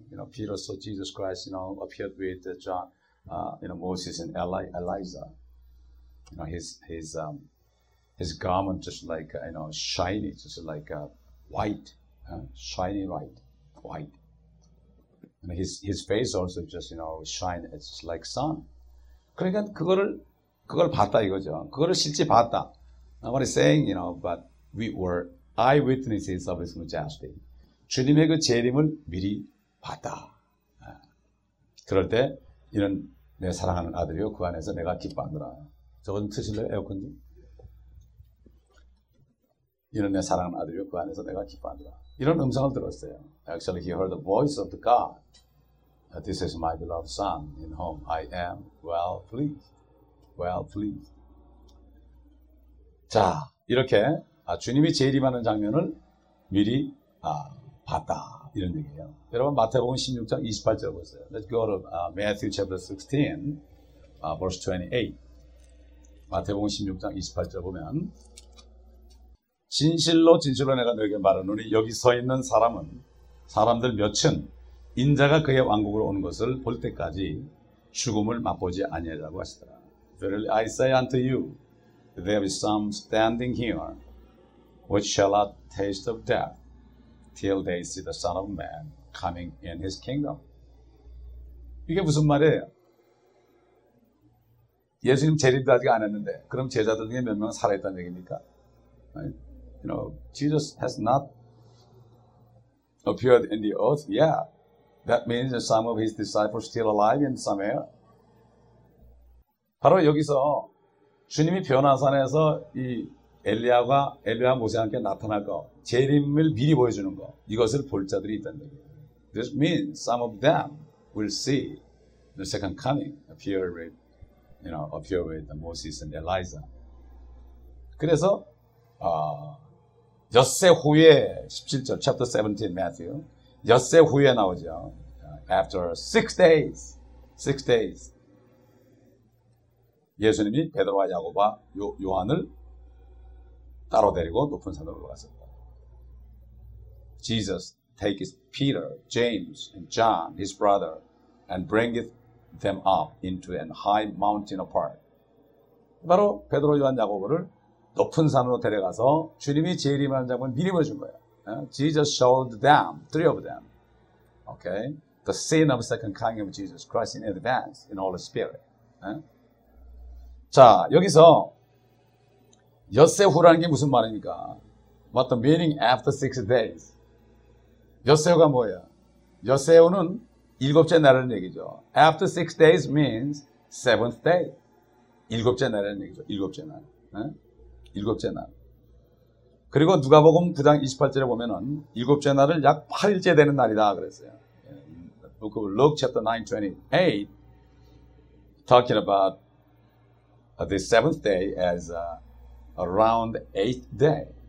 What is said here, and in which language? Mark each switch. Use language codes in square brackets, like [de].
[en] You know, Peter saw Jesus Christ, you know, appeared with John, you know, Moses and Elijah. You know, his garment just like, you know, shiny, just like white, shiny white. And his face also just, you know, shine, it's just like sun. [ko] 그러니까 그걸 봤다 이거죠. 그거를 실제 봤다. [en] What he's saying, you know, but we were eyewitnesses of his majesty. [ko] 주님의 그 재림을 미리 봤다. 그럴 때 이는 내 사랑하는 아들이요 그 안에서 내가 기뻐하느라. 저건 트실래요 에어컨 좀? 이런 내 사랑하는 아들이여 그 안에서 내가 기뻐한다. 이런 음성을 들었어요. [en] Actually, he heard the voice of the God. This is my beloved son in whom I am well pleased. Well pleased. [ko] 자, 이렇게 주님이 제일 임하는 장면을 미리 봤다. 이런 얘기예요. 여러분, 마태복음 16장 28절 보세요. [en] Let's go to Matthew chapter 16, verse 28. [ko] 마태복음 16장 28절 보면 진실로 진실로 내가 너에게 말하노니 여기 서 있는 사람은 사람들 몇은 인자가 그의 왕국으로 오는 것을 볼 때까지 죽음을 맛보지 아니하라고 하시더라. [en] Verily I say unto you, there is some standing here which shall not taste of death till they see the Son of Man coming in his kingdom. [ko] 이게 무슨 말이에요? 예수님 재림도 아직 안 했는데 그럼 제자들 중에 몇 명 살아있다는 얘기입니까? [en] You know, Jesus has not appeared in the earth yet. That means that some of his disciples still alive in somewhere. [ko] 바로 여기서 주님이 변화산에서 이 엘리야와 엘리야 모세와 함께 나타날 거, 재림을 미리 보여주는 거, 이것을 볼 자들이 있다는 얘기예요. [en] This means some of them will see the second coming appear with Moses and Elijah. [ko] 그래서 엿새 후에 17절 [en] chapter 17 Matthew [ko] 엿새 후에 나오죠. [en] After six days [ko] 예수님이 베드로와 야고보와 요한을 따로 데리고 높은 산으로 올라갔습니다. [en] Jesus takes Peter, James, and John, his brother, and bringeth them up into an high mountain apart. [ko] 바로 베드로, 요한, 야고보를 높은 산으로 데려가서 주님이 제일 임하는 장면 미리 보여준 거예요. [en] Jesus showed them, three of them, okay, the scene of second coming of Jesus Christ in advance in all the spirit. [ko] 자, 여기서 엿새 후라는 게 무슨 말입니까? [en] What the meaning after six days? [ko] 엿새 후가 뭐예요? 엿새 후는 일곱째 날이라는 얘기죠. [en] After six days means seventh day. [ko] 일곱째 날이라는 얘기죠. 일곱째 날. 네? 일곱째 날. 그리고 누가복음 9장 28절에 보면은 일곱째 날을 약 8일째 되는 날이다 그랬어요. [en] Book of Luke chapter 9:28 talking about the seventh day as around eighth day.